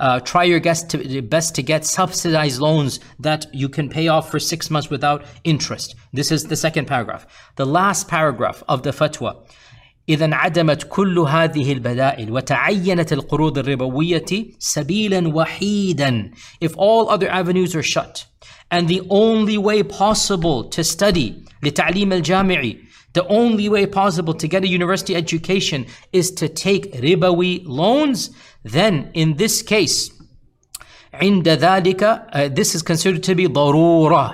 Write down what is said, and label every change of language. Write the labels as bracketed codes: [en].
[en] Try your best to get subsidized loans that you can pay off for 6 months without interest. This is the second paragraph. The last paragraph of the fatwa. [ar] إذا انعدمت كل هذه البدائل وتعينت القروض الربوية سبيلا وحيدا. [en] If all other avenues are shut, and the only way possible to study [ar] لتعليم الجامعي, [en] the only way possible to get a university education is to take ربوي loans, then in this case, [ar] عند ذلك, [en] this is considered to be ضرورة.